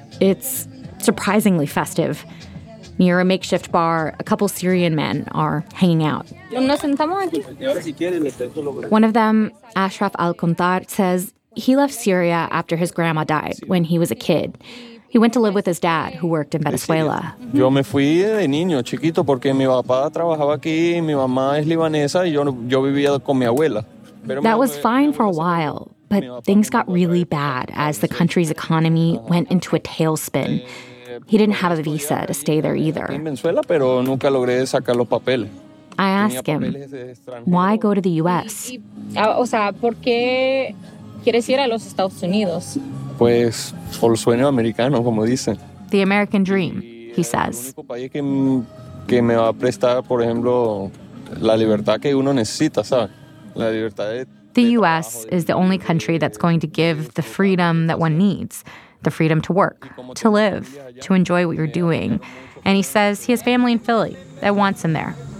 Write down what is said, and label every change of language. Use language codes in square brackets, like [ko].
[en] It's surprisingly festive. Near a makeshift bar, a couple Syrian men are hanging out. One of them, Ashraf Al-Kuntar, says he left Syria after his grandma died when he was a kid. He went to live with his dad, who worked in Venezuela. [es] Yo me fui de niño, chiquito, porque mi papá trabajaba aquí, mi mamá es libanesa, y yo vivía con mi abuela. [en] That was fine for a while, but things got really bad as the country's economy went into a tailspin. He didn't have a visa to stay there either. [es] En Venezuela, pero nunca logré sacar los papeles. [en] I asked him, why go to the U.S.? [es] O sea, ¿por qué quieres ir a los Estados Unidos? Pues, por el sueño americano, como dicen. [en] The American dream, he says. [es] El único país que me va a prestar, por ejemplo, la libertad que uno necesita, ¿sabes? La libertad de... [en] The U.S. is the only country that's going to give the freedom that one needs. The freedom to work, to live, to enjoy what you're doing. And he says he has family in Philly that wants him there.